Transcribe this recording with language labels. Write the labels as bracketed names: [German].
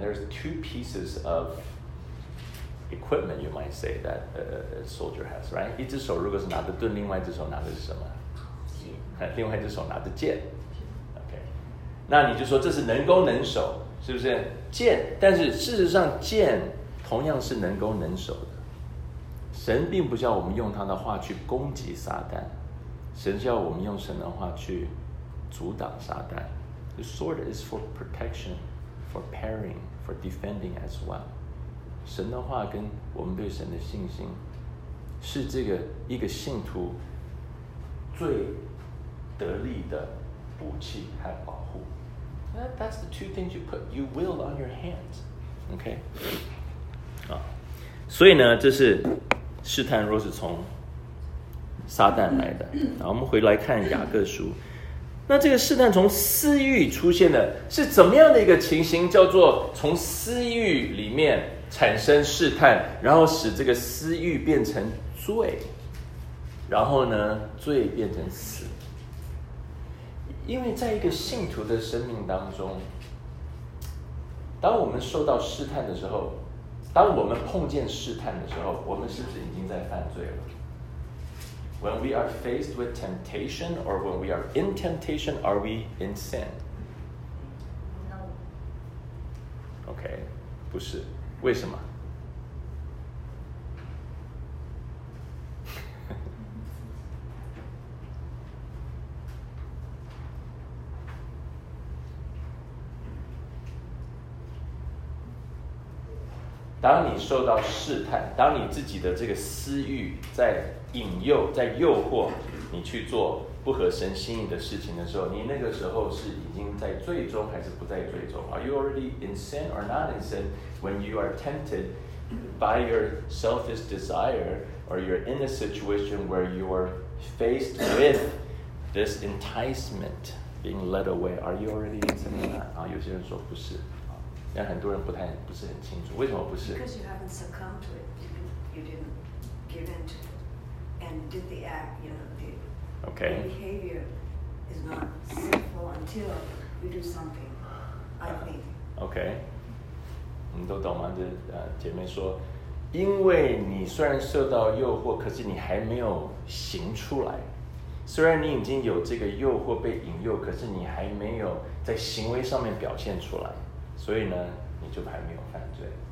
[English] There's two pieces of equipment you might say that a soldier has, right? [Chinese] 一只手如果是拿着盾，另外一只手拿的是什么？另外一只手拿着剑。 OK， 那你就说这是能攻能守。是不是剑？但是事实上剑同样是能攻能守的。神并不叫我们用他的话去攻击撒旦，神叫我们用神的话去阻挡撒旦。 [English] The sword is for protection, for parrying, for defending as well. [Chinese] 神的话跟我们对神的信心是这个一个信徒最得力的武器和保护。 [English] That's the two things you will on your hands. Okay. [Chinese] 所以呢，这是试探若是从撒旦来的。然后我们回来看雅各书。那这个试探从私欲出现的是怎么样的一个情形，叫做从私欲里面产生试探，然后使这个私欲变成罪，然后呢，罪变成死。因为在一个信徒的生命当中，当我们受到试探的时候，当我们碰见试探的时候，我们是不是已经在犯罪了？ [English] When we are faced with temptation or when we are in temptation, are we in sin? No. [Chinese] OK, 不是。为什么？当你受到试探，当你自己的这个私欲在引诱、在诱惑你去做不合神心意的事情的时候，你那个时候是已经在罪中还是不在罪中？ [English] Are you already in sin or not in sin when you are tempted by your selfish desire or you're in a situation where you are faced with this enticement being led away? Are you already in sin or not? [Chinese] 有些人说不是。但很多人不是很清楚，为什么不是？ [English] Because you haven't succumbed to it, you didn't give in to it, and did the act, you know, the okay. behavior is not sinful until you do something. I think. [Chinese] Okay. 你都懂吗？这姐妹说，因为你虽然受到诱惑，可是你还没有行出来。虽然你已经有这个诱惑被引诱，可是你还没有在行为上面表现出来。所以呢，你就还没有犯罪。